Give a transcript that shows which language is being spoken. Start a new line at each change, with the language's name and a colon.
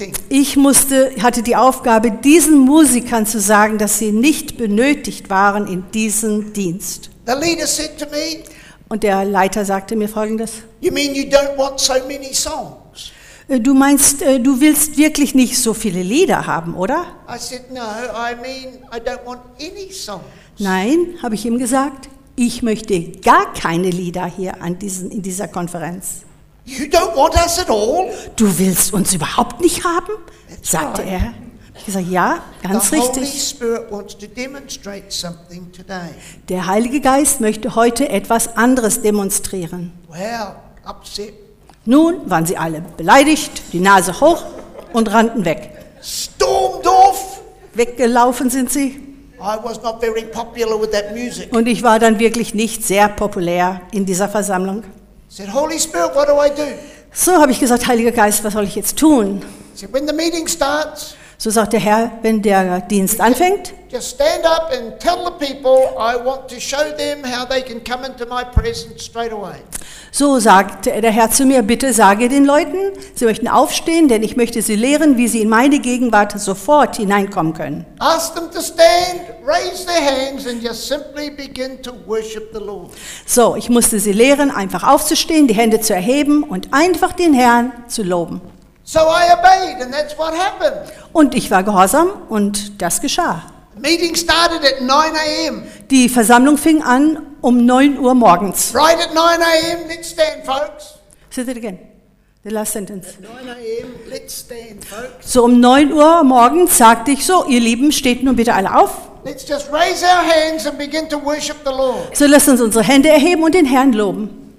German: ich hatte die Aufgabe, diesen Musikern zu sagen, dass sie nicht benötigt waren in diesen Dienst.
English: The leader said to me,
German: und der Leiter sagte mir Folgendes:
English: You mean you don't want so many songs?
German: Du meinst, du willst wirklich nicht so viele Lieder haben, oder?
English: I said, no, I mean, I don't want any songs.
German: Nein, habe ich ihm gesagt, ich möchte gar keine Lieder hier in dieser Konferenz.
English: You don't want us at all?
German: Du willst uns überhaupt nicht haben, sagte er. Ich sage, ja, ganz
English: The
German: richtig.
English: Holy Spirit wants to demonstrate something today.
German: Der Heilige Geist möchte heute etwas anderes demonstrieren.
English: Well, upset.
German: Nun waren sie alle beleidigt, die Nase hoch und rannten weg.
English: Stormed off.
German: Weggelaufen sind sie.
English: I was not very popular with that music.
German: Und ich war dann wirklich nicht sehr populär in dieser Versammlung.
English: Said, Holy Spirit, what do I do?
German: So habe ich gesagt, Heiliger Geist, was soll ich jetzt tun?
English: Said, when the meeting starts,
German: so sagt der Herr, wenn der Dienst anfängt,
English: just stand up and tell the people, I want to show them how they can come into my presence straight away.
German: So sagte der Herr zu mir, bitte sage den Leuten, sie möchten aufstehen, denn ich möchte sie lehren, wie sie in meine Gegenwart sofort hineinkommen können.
English: Ask them to stand, raise their hands and just simply begin to worship the Lord.
German: So, ich musste sie lehren, einfach aufzustehen, die Hände zu erheben und einfach den Herrn zu loben.
English: So I obeyed and that's what happened.
German: Und ich war gehorsam und das geschah.
English: Meeting started at 9 a.m.
German: Die Versammlung fing an um 9 Uhr morgens.
English: Right at 9 a.m., let's stand, folks. Say that again. The last sentence. At 9 a.m., let's stand, folks.
German: So um 9 Uhr morgens sagte ich so, ihr Lieben, steht nun bitte alle auf.
English: Let's just raise our hands and begin to worship the Lord.
German: So lasst uns unsere Hände erheben und den Herrn loben.